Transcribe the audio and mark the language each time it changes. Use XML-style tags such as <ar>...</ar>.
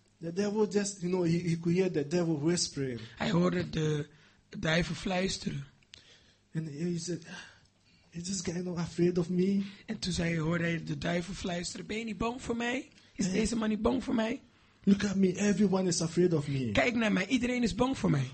<en>The devil just, you know, he could hear the devil whispering.</en> <nl>Hij hoorde de duivel fluisteren.</nl> <en>And he said, "Is this guy not afraid of me?"</en> <nl>En toen zei hij, hoorde hij de duivel fluisteren, "Ben je niet bang voor mij? Is deze man niet bang voor mij?"</nl> <en>Look at me, everyone is afraid of me.</en> <nl>Kijk naar mij, iedereen is bang voor mij.</nl>